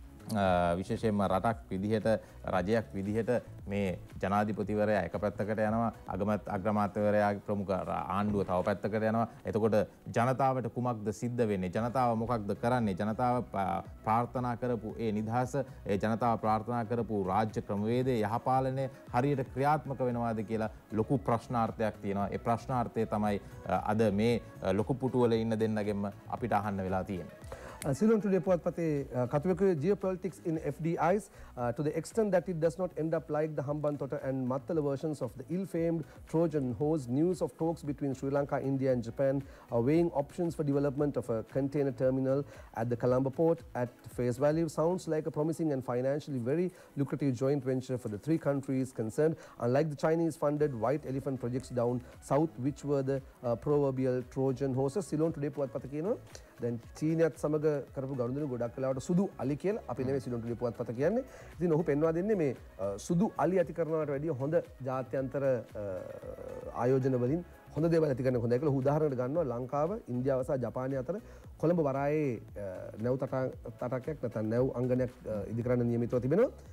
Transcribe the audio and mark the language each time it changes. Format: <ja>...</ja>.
<si>විශේෂයෙන්ම රටක් විදිහට රජයක් විදිහට මේ ජනාධිපතිවරයා එක පැත්තකට යනවා අගමැති අග්‍රමාත්‍යවරයා ප්‍රමුඛ ආණ්ඩුව තව පැත්තකට යනවා එතකොට ජනතාවට කුමක්ද සිද්ධ වෙන්නේ ජනතාව මොකක්ද කරන්නේ ජනතාව ප්‍රාර්ථනා කරපු ඒ නිදහස ඒ ජනතාව ප්‍රාර්ථනා කරපු රාජ්‍ය ක්‍රමවේදය යහපාලනය හරියට ක්‍රියාත්මක වෙනවාද කියලා ලොකු ප්‍රශ්නාර්ථයක් තියෙනවා ඒ ප්‍රශ්නාර්ථය තමයි අද මේ ලොකු පුටුවල ඉන්න දෙන්නගෙන්ම අපිට අහන්න වෙලා තියෙන්නේ</si> <en>Silon today put the geopolitics in FDIs to the extent that it does not end up like the Hambantota and Mattala versions of the ill-famed Trojan horse. News of talks between Sri Lanka, India and Japan are weighing options for development of a container terminal at the Colombo port at face value. Sounds like a promising and financially very lucrative joint venture for the three countries concerned. Unlike the Chinese-funded white elephant projects down south, which were the proverbial Trojan horses. Silon today put the</en> <si>දැන් චීනයත් සමග කරපු ගනුදෙනු ගොඩක් කලාවට සුදු අලි කියලා අපි නෙමෙයි සිලොන්ටු ලිපුවත් පත කියන්නේ. ඉතින් ඔහු පෙන්වා දෙන්නේ මේ සුදු අලි ඇති කරනවට වැඩිය හොඳ ජාත්‍යන්තර ආයෝජන වලින් හොඳ දේවල් ඇති කරන හොඳයි කියලා. ඔහු උදාහරණයක් ගන්නවා ලංකාව, ඉන්දියාව සහ ජපානය අතර කොළඹ වරායේ නැව් තටාකයක් නැත්නම් නැව් අංගණයක් ඉදි කරන්න නියමිතව තිබෙනවා.</si>